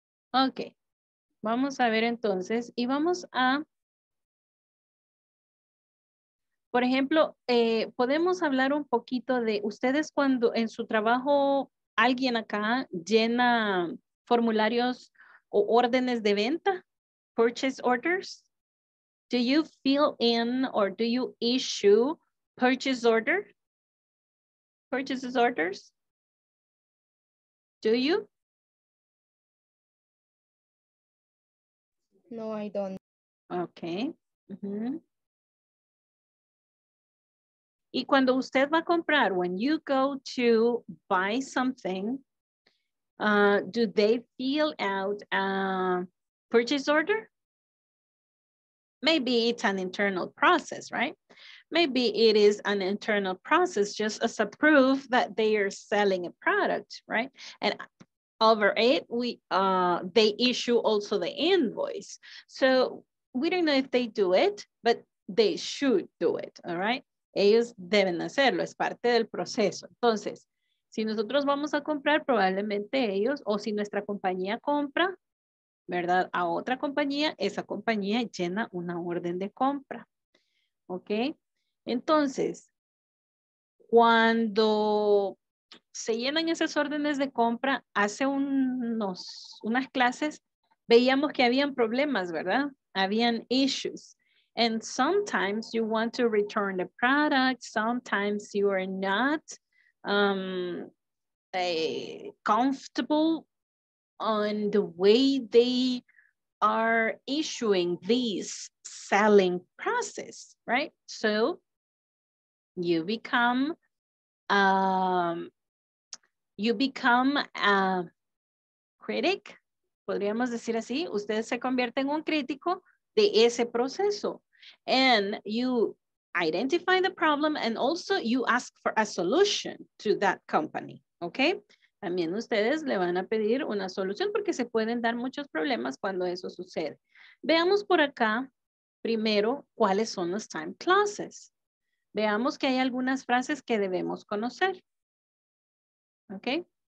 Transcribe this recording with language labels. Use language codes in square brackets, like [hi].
[es] Ok, vamos a ver entonces y vamos a, por ejemplo, podemos hablar un poquito de ustedes cuando en su trabajo alguien acá llena formularios o órdenes de venta, purchase orders. [en] Do you fill in or do you issue purchase orders? Do you? No, I don't. Okay. Mm-hmm. [es] Y cuando usted va a comprar, [en] when you go to buy something, do they fill out a purchase order? Maybe it's an internal process, right? Maybe it is an internal process just as a proof that they are selling a product, right? And over it, they issue also the invoice. So we don't know if they do it, but they should do it, all right? [es] Ellos deben hacerlo, es parte del proceso. Entonces, si nosotros vamos a comprar, probablemente ellos, o si nuestra compañía compra, ¿verdad? A otra compañía, esa compañía llena una orden de compra. ¿Ok? Entonces, cuando se llenan esas órdenes de compra, hace unas clases, veíamos que habían problemas, ¿verdad? Habían issues. [en] And sometimes you want to return the product, sometimes you are not comfortable on the way they are issuing this selling process, right? So you become a critic, [es] podríamos decir así, usted se convierte en un crítico de ese proceso. [en] And you identify the problem and also you ask for a solution to that company, okay? [es] También ustedes le van a pedir una solución porque se pueden dar muchos problemas cuando eso sucede. Veamos por acá primero cuáles son los time clauses. Veamos que hay algunas frases que debemos conocer. Okay?